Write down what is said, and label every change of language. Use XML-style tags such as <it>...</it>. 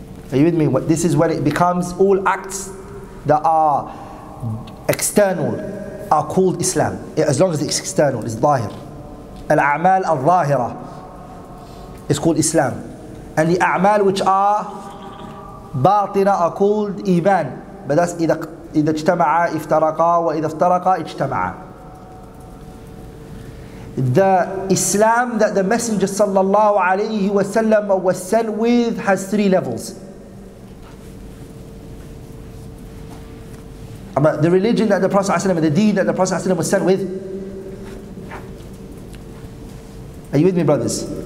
<en>Are you with me? This is when it becomes all acts that are external are called Islam. As long as it's external, it's zahir. Al-a'mal al-zahira is called Islam. And the a'mal which are batina are called iman. But that's</en> <ar>إذا اجتمع افترقا وإذا افترقا اجتمع.</ar> <en>The Islam that the Messenger sallallahu alayhi wa sallam was sent with has three levels. But the religion that the Prophet sallallahu alayhi wa sallam, the deen that the Prophet sallallahu alayhi wa sallam was sent with, are you with me, brothers?</en>